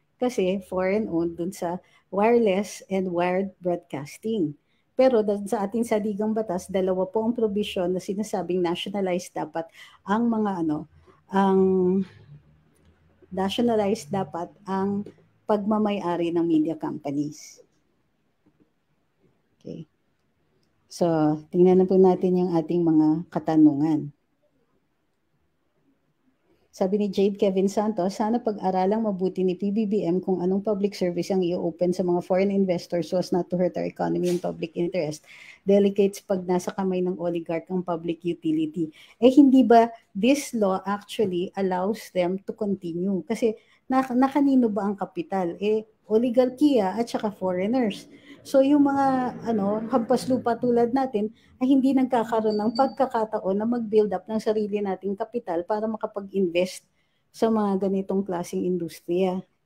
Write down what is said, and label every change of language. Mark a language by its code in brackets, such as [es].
[en] Kasi foreign-owned [tl] dun sa [en] wireless and wired broadcasting. [tl] Pero dun sa ating saligang batas, dalawa po ang provision na sinasabing nationalized dapat ang mga ano, ang nationalized dapat ang pagmamay-ari ng media companies. Okay. So, tingnan na po natin yung ating mga katanungan. Sabi ni Jade Kevin Santos, sana pag-aralang mabuti ni PBBM kung anong public service ang i-open sa mga foreign investors [en] so as not to hurt our economy and public interest. [tl] Delegates pag nasa kamay ng oligarch ang public utility. Eh hindi ba [en] this law actually allows them to continue? [tl] Kasi na kanino ba ang kapital? Eh oligarkiya at saka foreigners. So yung mga ano, hampas lupa tulad natin ay hindi nagkakaroon ng pagkakataon na mag-build up ng sarili nating kapital para makapag-invest sa mga ganitong klaseng industriya.